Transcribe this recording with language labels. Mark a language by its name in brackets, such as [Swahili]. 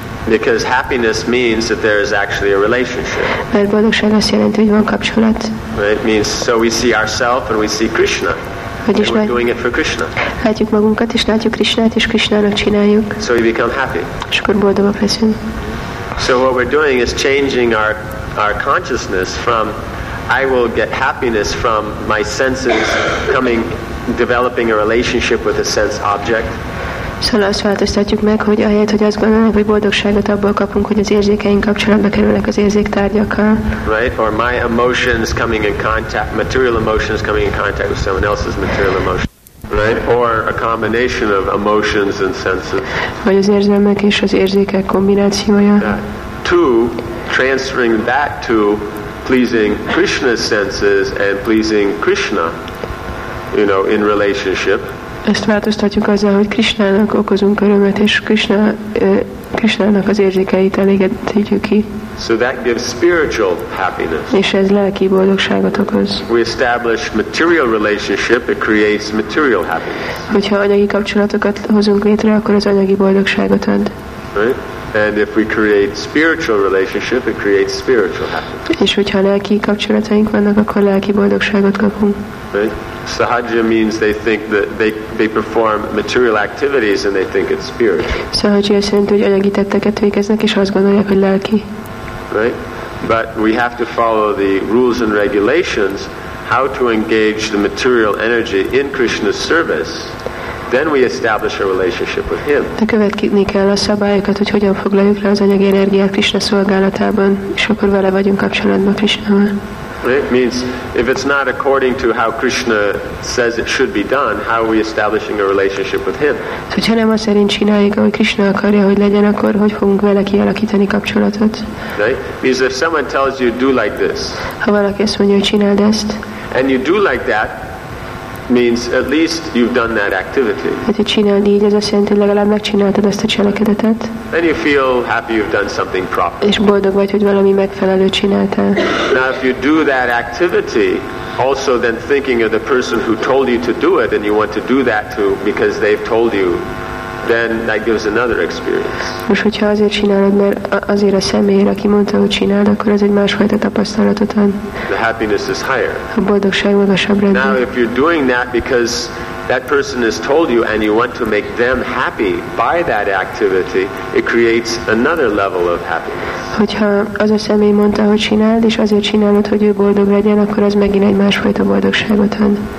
[English] Because happiness means that there is actually a relationship. [Hungarian] Mert boldogság azt jelenti, hogy van kapcsolat. [English] Right? Means so we see ourselves and we see Krishna. And we're doing it for Krishna. [Hungarian] Látjuk magunkat és látjuk Krishnát és Krishnának csináljuk. [English] So we become happy. [Hungarian] És akkor boldogok leszünk. [English] So what we're doing is changing our consciousness from I will get happiness from my senses coming developing a relationship with a sense object. [Hungarian] Szóval azt változtatjuk meg, hogy ahelyett, hogy azt gondolnak, hogy boldogságot abból kapunk, hogy az érzékeink kapcsolatba kerülnek az érzéktárgyakkal. [English] Right, or my emotions coming in contact, material emotions coming in contact with someone else's material emotions. Right, or a combination of emotions and senses. [Hungarian] Vagy az érzelmek és az érzékek kombinációja. [English] Two, transferring that to pleasing Krishna's senses and pleasing Krishna, you know, in relationship. [Hungarian] Ezt változtatjuk azzal, hogy Krishnának okozunk örömet, és Krishnának az érzékeit elégetítjük ki. [English] So that gives spiritual happiness. [Hungarian] És ez lelki boldogságot okoz. [English] We establish material relationship, it creates material happiness. [Hungarian] Hogyha anyagi kapcsolatokat hozunk létre, akkor az anyagi boldogságot ad. [English] Right? And if we create spiritual relationship, it creates spiritual happiness. [Hungarian] És hogyha lelki kapcsolataink vannak, akkor lelki boldogságot kapunk. [English] Right? Sahaja means they think that they perform material activities and they think it's spiritual. [Hungarian] Sahaja szerint, hogy anyagi tetteket végeznek, és azt gondolják, hogy lelki. [English] Right? But we have to follow the rules and regulations how to engage the material energy in Krishna's service. Then we establish a relationship with him. [Hungarian] De követni kell a szabályokat, hogy hogyan foglaljuk le az anyagi energiát Krishna szolgálatában, és akkor vele vagyunk kapcsolatban Krishnával. [English] It means if it's not according to how Krishna says it should be done, how are we establishing a relationship with him? [Hungarian] Hogyha nem azt szerint csináljuk, ahogy Krishna akarja, hogy legyen, akkor hogy fogunk vele kialakítani kapcsolatot? [English] Right? Means if someone tells you do like this. [Hungarian] Ha valaki azt mondja, hogy csináld ezt. [English] And you do like that means at least you've done that activity. [Hungarian] Hát, hogy csináld így, az azt jelenti, hogy legalább megcsináltad ezt a cselekedetet. [English] And you feel happy you've done something proper. [Hungarian] És boldog vagy, hogy valami megfelelőt csináltál. [English] Now if you do that activity, also then thinking of the person who told you to do it and you want to do that too because they've told you, then that gives another experience. [Hungarian] Most hogyha azért csinálod, mert azért a személyre, aki mondta, hogy csináld, akkor ez egy másfajta tapasztalatot ad. [English] The happiness is higher. [Hungarian] A boldogság magasabb rendben. [English] Now if you're doing that because that person has told you and you want to make them happy by that activity, it creates another level of happiness. [Hungarian] Hogyha az a személy mondta, hogy csináld, és azért csinálod, hogy ő boldog legyen, akkor az megint egy másfajta boldogságot ad.